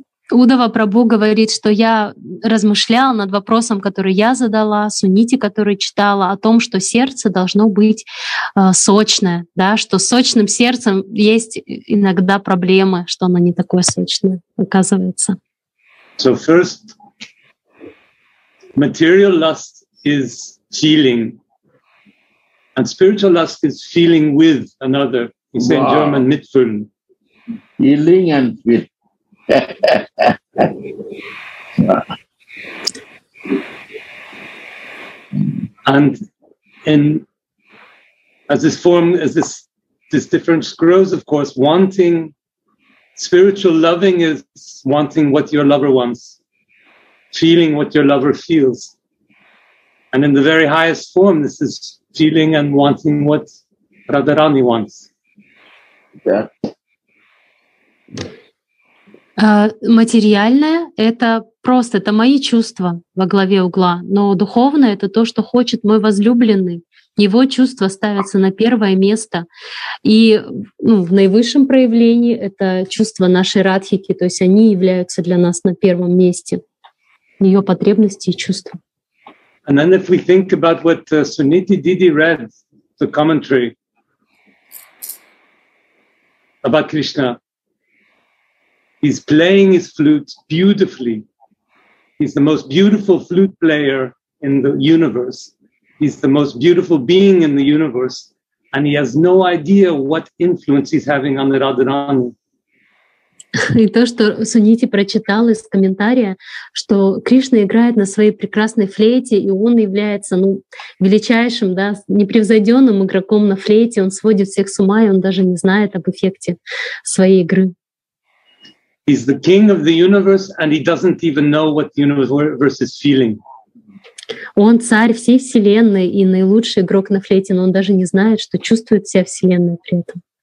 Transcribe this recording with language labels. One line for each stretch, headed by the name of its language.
Russian: Удава Прабху говорит, что я размышлял над вопросом, который я задала, Сунити, который читала, о том, что сердце должно быть сочное, да, что с сочным сердцем есть иногда проблемы, что оно не такое сочное, оказывается.
English: So first, material lust is feeling, and spiritual lust is feeling with another. He said in German, Mitfühlen. Feeling and with. And in as this difference grows, of course, wanting spiritual loving is wanting what your lover wants, feeling what your lover feels. And in the very highest form, this is feeling and wanting what Radharani wants.
Russian: Материальное — это просто, это мои чувства во главе угла, но духовное — это то, что хочет мой возлюбленный. Его чувства ставятся на первое место. И ну, в наивысшем проявлении это чувства нашей радхики, то есть они являются для нас на первом месте, ее потребности и чувства.
English: And then if we think about what Suniti Didi read, the commentary about Krishna, he's playing his flute beautifully. He's the most beautiful flute player in the universe. He's the most beautiful being in the universe. And he has no idea what influence he's having on the Radharani.
Russian: И то, что Сунити прочитал из комментария, что Кришна играет на своей прекрасной флейте, и он является ну, величайшим, да, непревзойденным игроком на флейте, он сводит всех с ума, и он даже не знает об эффекте своей игры.
English: He's the king of the universe, and he doesn't even know what the universe is feeling.
Russian: Он царь всей вселенной и наилучший игрок на флейте, но он даже не знает, что чувствует вся вселенная при этом.